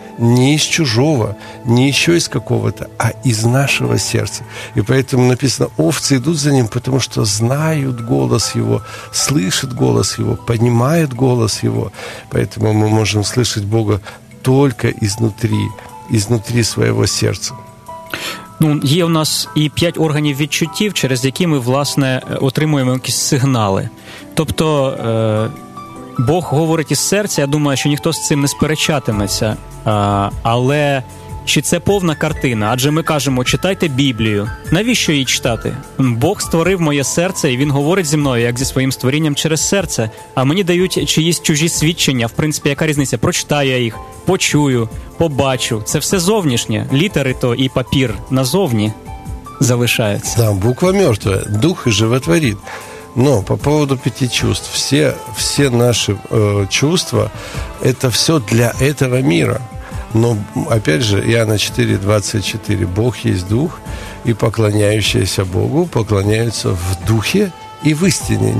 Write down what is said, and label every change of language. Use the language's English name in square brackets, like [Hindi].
[Russian] Не из чужого, не еще из какого-то, а из нашего сердца. И поэтому написано, овцы идут за ним, потому что знают голос его, слышат голос его, понимают голос его. Поэтому мы можем слышать Бога только изнутри, изнутри своего сердца. [Ukrainian] Ну, є у нас і 5 органів відчуттів, через які ми, власне, отримуємо якісь сигнали. Тобто, Бог говорить із серця, я думаю, що ніхто з цим не сперечатиметься. Але чи це повна картина? Адже ми кажемо, читайте Біблію. Навіщо її читати? Бог створив моє серце, і він говорить зі мною, як зі своїм створінням, через серце. А мені дають чиїсь чужі свідчення. В принципі, яка різниця? Прочитаю я їх, почую, побачу. Це все зовнішнє. Літери то і папір назовні залишаються. [Russian] Да, буква мертва, дух животворить. Но по поводу 5 чувств, все наши чувства, это все для этого мира. Но, опять же, Иоанна 4:24, Бог есть Дух, и поклоняющиеся Богу поклоняются в Духе и в истине.